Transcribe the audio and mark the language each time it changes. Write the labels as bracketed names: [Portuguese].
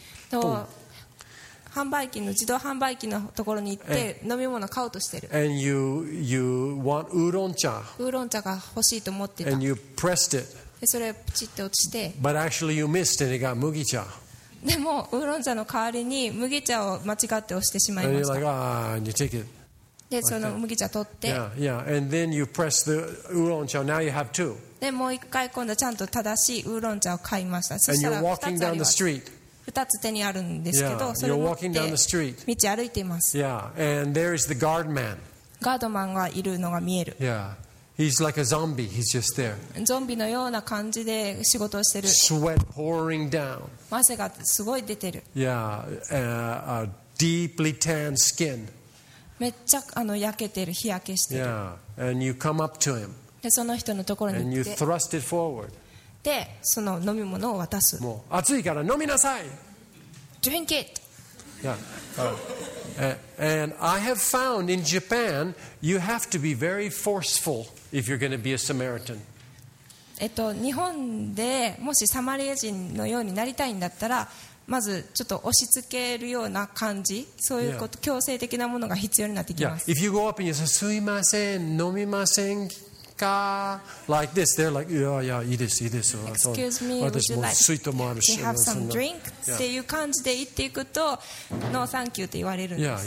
[Japanese] と、販売機の自動販売機のところに行って飲み物を買おうとしてる。 [English] And you want ウーロン茶。 [Japanese] ウーロン茶が欲しいと思ってた。 [English] And you pressed it. [Japanese] でそれをプチッと落ちて。 [English] But actually you missed and it got 麦茶。 [Japanese] でもウーロン茶の代わりに麦茶を間違って押してしまいました。 [English] Like, you take it. でその麦茶取って、 yeah, yeah. And then you press the ウーロン茶. Now you have two. [Japanese] でもう一回今度ちゃんと正しいウーロン茶を買いました。 [English] And you're walking down the street. [Japanese] 二つ手にあるんですけど、それ持って道歩いています。 [English] Yeah. And there is the guard man. [Japanese] ガードマンがいるのが見える。 [English] Yeah. He's like a zombie. He's just there. [Japanese] ゾンビのような感じで仕事をしてる。 [English] Sweat pouring down. [Japanese] 汗がすごい出てる。 [English] Yeah, a deeply tanned skin. [Japanese] めっちゃ焼けてる、日焼けしてる。 [English] Yeah, and you come up to him. [Japanese] でその人のところに行って。 [English] And you thrust it forward. [Japanese] でその飲み物を渡す。もう暑いから飲みなさい。 [English] Drink it. Yeah.、And I have found in Japan, you have to be very forceful. If you're going to be a Samaritan. [Japanese] 日本でもしサマリア人のようになりたいんだったら、まずちょっと押し付けるような感じ、そういうこと、yeah. 強制的なものが必要になってきます。 [English] Yeah. If you go up and you say, [Japanese] すいません、飲みませんか? [English] Like this, they're like, yeah, yeah, [Japanese] いいです、いいです。 [English] Excuse me, would you like to have some drink? [Japanese] っていう感じで言っていくと、 [English] No, thank you [Japanese] って言われるんです。